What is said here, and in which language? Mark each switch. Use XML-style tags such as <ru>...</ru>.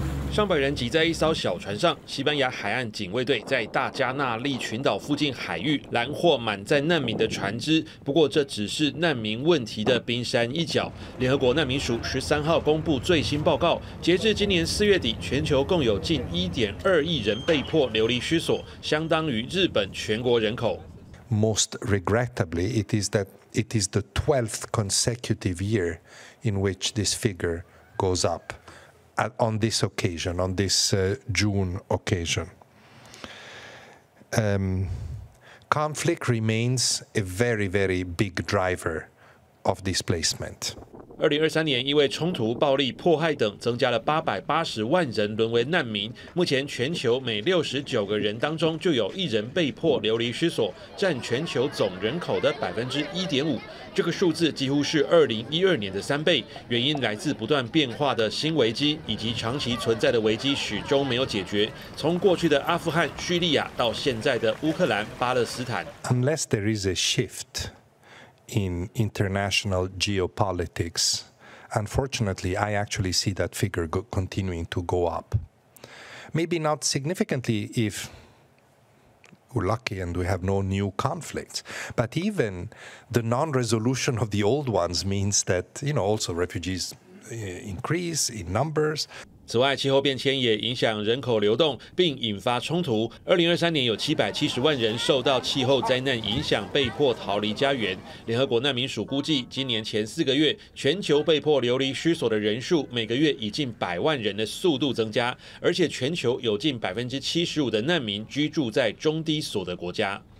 <zh>上百人挤在一艘小船上，西班牙海岸警卫队在大加纳利群岛附近海域拦获满载难民的船只。不过，这只是难民问题的冰山一角。联合国难民署13号公布最新报告，截至今年4月底，全球共有近1.2亿人被迫流离失所，相当于日本全国人口。</zh> <en>Most regrettably, it is the 12th consecutive year in which this figure goes up. On this occasion, on this June occasion, conflict remains a very, very big driver of displacement.</en> <zh>2023年，因为冲突、暴力、迫害等，增加了880万人沦为难民。目前，全球每69个人当中就有一人被迫流离失所，占全球总人口的1.5%。这个数字几乎是2012年的3倍，原因来自不断变化的新危机，以及长期存在的危机始终没有解决。从过去的阿富汗、叙利亚，到现在的乌克兰、巴勒斯坦。</zh> <en>Unless there is a shift in international geopolitics. Unfortunately, I actually see that figure continuing to go up. Maybe not significantly if we're lucky and we have no new conflicts. But even the non-resolution of the old ones means that, you know, also refugees increase in numbers.</en> <zh>此外，气候变迁也影响人口流动，并引发冲突。 2023年有770万人受到气候灾难影响，被迫逃离家园。联合国难民署估计，今年前四个月，全球被迫流离失所的人数每个月以近百万人的速度增加，而且全球有近75%的难民居住在中低所得国家。</zh>